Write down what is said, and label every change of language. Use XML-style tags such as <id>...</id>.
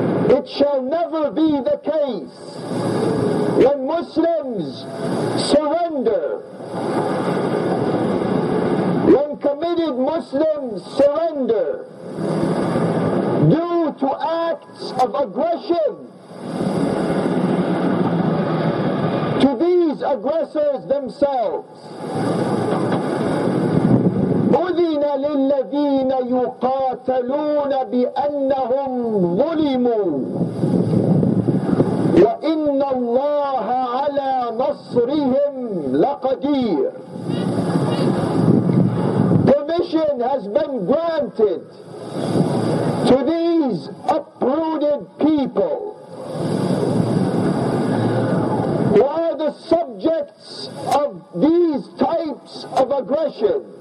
<en>It shall never be the case when Muslims surrender, when committed Muslims surrender due to acts of aggression to these aggressors themselves.</en> <ar>أذن للذين يقاتلون بأنهم ظلموا وإن الله على نصرهم لقدير.</ar> <en>Permission has been granted to these uprooted people who are the subjects of these types of aggression.</en>